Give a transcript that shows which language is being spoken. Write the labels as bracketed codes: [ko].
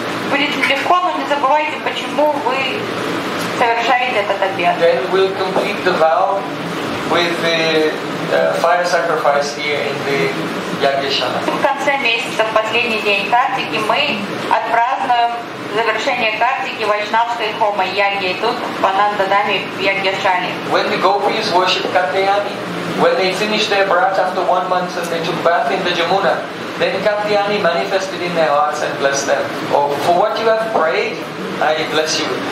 [ru] Будет легко, но не забывайте, почему вы совершаете этот обет. [en] Then we'll complete the vow with the fire sacrifice here in the Yagyashala. [ru] В конце месяца, в последний день Картики, мы отпразднуем завершение Картики вайшнавской хомой Яги тут в Анандадаме в Ягьяшале. [en] When the gopis worship Katyani, when they finished their brat after 1 month and they took bath in the Jamuna, then Katyani manifested in their hearts and blessed them. Oh, for what you have prayed, I bless you.